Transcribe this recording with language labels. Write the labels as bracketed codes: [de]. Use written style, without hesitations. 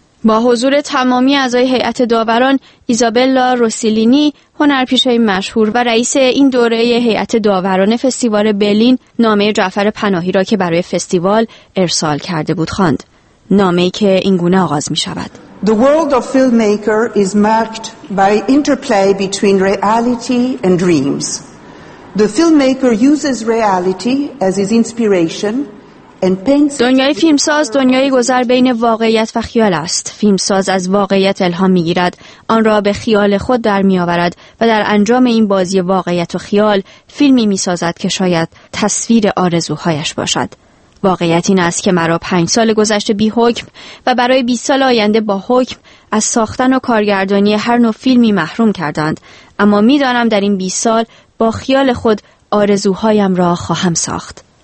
[fa] با حضور تمامی اعضای هیئت داوران، ایزابلا روسیلینی، هنرپیشه مشهور و رئیس این دوره هیئت داوران فستیوال برلین، نامه جعفر پناهی را که برای فستیوال ارسال کرده بود خواند. نامه‌ای که این گونه آغاز می‌شود: [en] The world of filmmaker is marked by interplay between reality and dreams. The filmmaker uses reality as his inspiration and paints. [fa] دنیای فیلمساز دنیای گذر بین واقعیت و خیال است. فیلمساز از واقعیت الهام می‌گیرد، آن را به خیال خود در می‌آورد و در انجام این بازی واقعیت و خیال فیلمی می‌سازد که شاید تصویر آرزوهایش باشد. واقعیت این است که مرا 5 سال گذشته بی حکم و برای 20 سال آینده با حکم از ساختن و کارگردانی هر نوع فیلمی محروم کردند، اما می دانم در این 20 سال با خیال خود آرزوهایم را خواهم ساخت.